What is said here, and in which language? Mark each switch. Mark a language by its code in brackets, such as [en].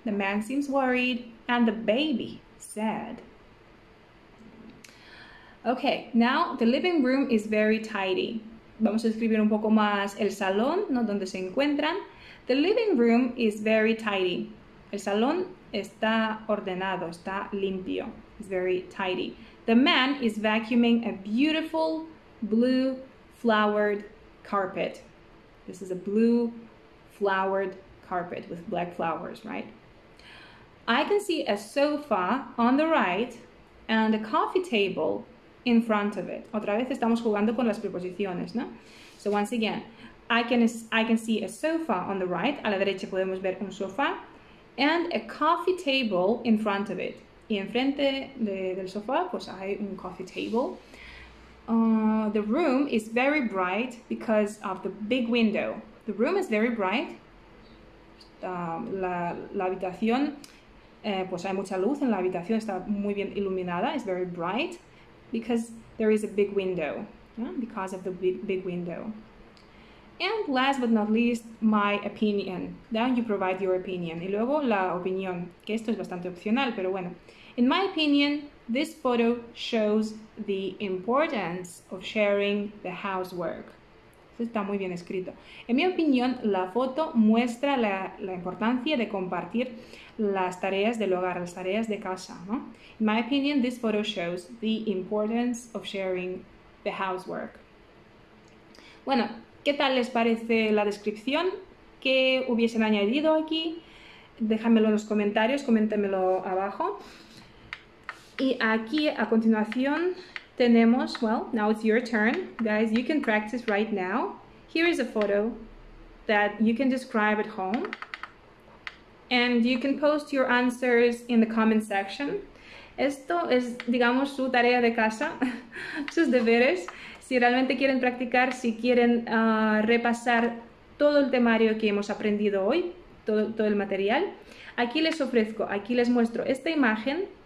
[en] The man seems worried and the baby sad. Okay, now the living room is very tidy. [es] Vamos a escribir un poco más el salón, ¿no? Donde se encuentran. The living room is very tidy. El salón está ordenado, está limpio. [en] It's very tidy. The man is vacuuming a beautiful blue flowered carpet. This is a blue flowered carpet with black flowers, right? I can see a sofa on the right and a coffee table in front of it. [es] Otra vez estamos jugando con las preposiciones, ¿no? [en] So once again, I can see a sofa on the right. [es] A la derecha podemos ver un sofá. [en] And a coffee table in front of it. [es] Y enfrente del sofá, pues hay un [en] coffee table. The room is very bright because of the big window. The room is very bright. [es] La habitación, pues hay mucha luz en la habitación, está muy bien iluminada, [en] it's very bright. Because there is a big window, yeah? Because of the big window. And last but not least, my opinion. Then you provide your opinion. [es] Y luego la opinión, que esto es bastante opcional, pero bueno. [en] In my opinion, this photo shows the importance of sharing the housework. [es] Esto está muy bien escrito. En mi opinión, la foto muestra la importancia de compartir las tareas del hogar, las tareas de casa, ¿no? [en] In my opinion, this photo shows the importance of sharing the housework. [es] Bueno, ¿qué tal les parece la descripción? ¿Qué hubiesen añadido aquí? Déjamelo en los comentarios, coméntenmelo abajo. Y aquí a continuación tenemos, [en] well, now it's your turn. Guys, you can practice right now. Here is a photo that you can describe at home. And you can post your answers in the comment section. [es] Esto es, digamos, su tarea de casa, sus deberes. Si realmente quieren practicar, si quieren repasar todo el temario que hemos aprendido hoy, todo el material, aquí les muestro esta imagen.